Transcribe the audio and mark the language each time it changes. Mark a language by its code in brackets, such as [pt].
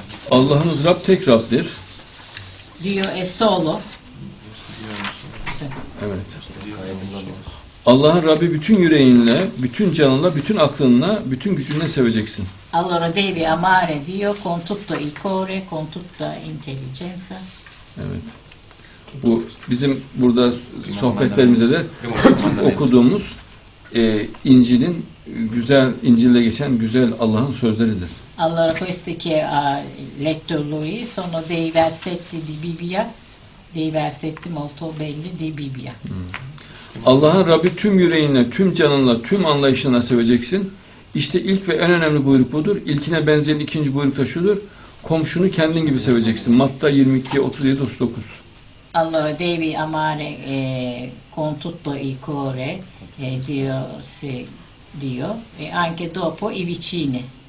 [tr] Allah'ınız Rab tek Rab'dir. [it] Dio è solo. [tr] Evet. Allah'ın Rabbi bütün yüreğinle, bütün canınla, bütün aklınla, bütün gücünle seveceksin. [it] Allora devi amare Dio con tutto il cuore, con tutta intelligenza. [tr] Evet. Bu bizim burada sohbetlerimizde de okuduğumuz İncil'in güzel, İncil'de geçen güzel Allah'ın sözleridir. [it] Allora questi che ha letto lui sono dei versetti di Bibbia, dei versetti molto belli di Bibbia. [tr] Allah'ın Rabbi tüm yüreğinle, tüm canınla, tüm anlayışınla seveceksin. İşte ilk ve en önemli buyruk budur. İlkine benzeyen ikinci buyruk da şudur. Komşunu kendin gibi seveceksin. Matta 22:37-39. [it] Allora devi amare con tutto il cuore Dio se Dio e anche dopo i vicini.